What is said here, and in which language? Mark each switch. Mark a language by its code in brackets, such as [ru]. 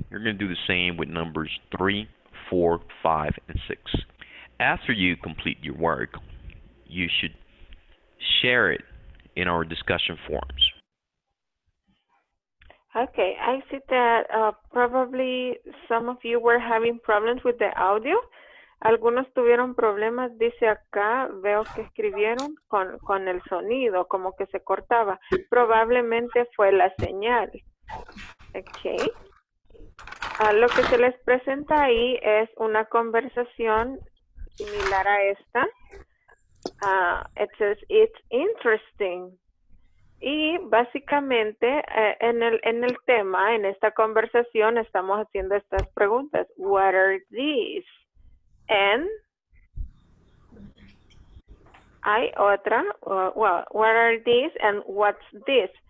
[en] You're going to do the same with numbers 3, 4, 5, and 6. After you complete your work, you should share it in our discussion forums. Okay, I see that probably some of you were having problems with the audio. [es] Algunos tuvieron problemas, dice acá, veo que escribieron con el sonido, como que se cortaba. Probablemente fue la señal. Okay. Lo que se les presenta ahí es una conversación similar a esta. [en] It says, it's interesting. [es] Y básicamente en el tema, en esta conversación, estamos haciendo estas preguntas. [en] What are these? And [es] hay otra, [en] what are these and what's this?